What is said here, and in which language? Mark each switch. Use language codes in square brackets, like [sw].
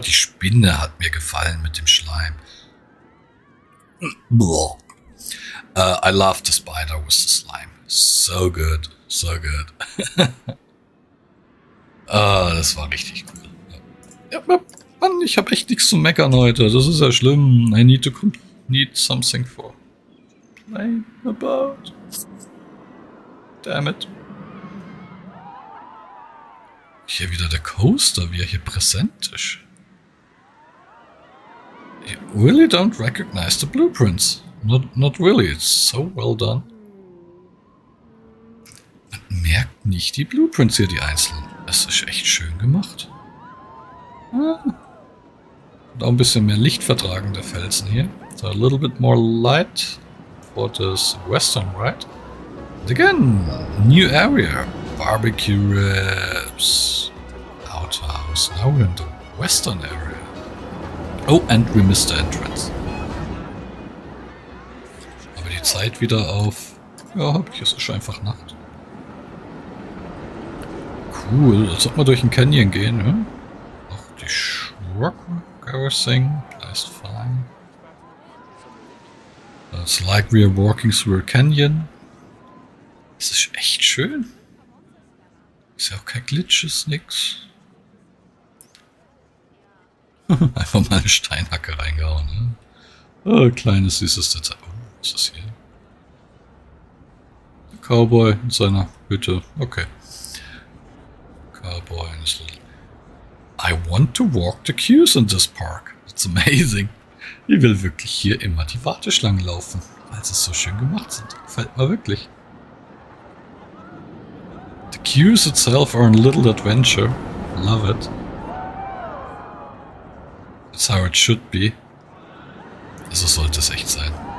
[de] Die Spinne hat mir gefallen mit dem Schleim. [en] I love the spider with the slime. So good, so good. [de] das war richtig cool. Ja, Mann, ich habe echt nichts zu meckern heute. Das ist ja schlimm. [en] I need to need something for complain about. Damn it. [de] Hier wieder der Coaster, wie er hier präsent ist. [en] I really don't recognize the blueprints. Not really, it's so well done. [de] Man merkt nicht die Blueprints hier, die einzelnen. Es ist echt schön gemacht. Ah. Und auch ein bisschen mehr Licht vertragen, der Felsen hier. [en] So a little bit more light for this western, right? And again, new area. Barbecue ribs. Outhouse. Now we're in the western area. Oh, and we missed the entrance. [de] Aber die Zeit wieder auf. Ja, hab ich. Es ist einfach Nacht. Cool. Als ob wir durch den Canyon gehen. Ja? Ach, die Shrugwork everything. [en] That is fine. It's like we are walking through a canyon. [de] Es ist echt schön. Ist ja auch kein Glitch, ist nix. Einfach mal eine Steinhacke reingehauen, ne? Oh, kleines, süßes Detail. Oh, was ist hier? Der Cowboy in seiner Hütte. Okay. [en] Cowboy in his little... I want to walk the queues in this park. It's amazing. [de] Ich will wirklich hier immer die Warteschlangen laufen, weil sie so schön gemacht sind. Gefällt mir wirklich. [en] The queues itself are a little adventure. Love it. That's how it should be. [de] Also sollte es echt sein.